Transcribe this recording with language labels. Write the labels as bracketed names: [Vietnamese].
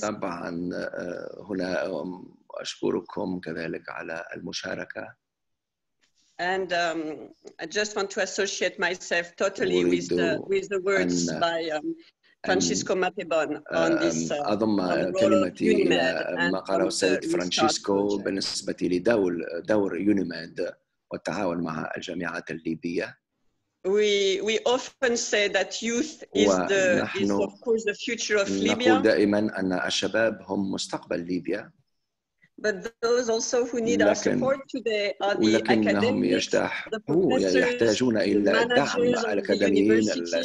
[Arabic] طبعا هنا اشكركم كذلك على المشاركه. [English] And I just want to associate myself totally with the words by Francisco Mapebon on this [Arabic] اضم كلمتي ما قاله السيد فرانشيسكو بالنسبه لدور يونيميد والتعاون مع الجامعات الليبيه. [English] We often say that youth is of course the future of Libya. [Arabic] نقول دائما أن الشباب هم مستقبل ليبيا. [English] But those also who need our support today are the academics, the professors, the managers of the universities,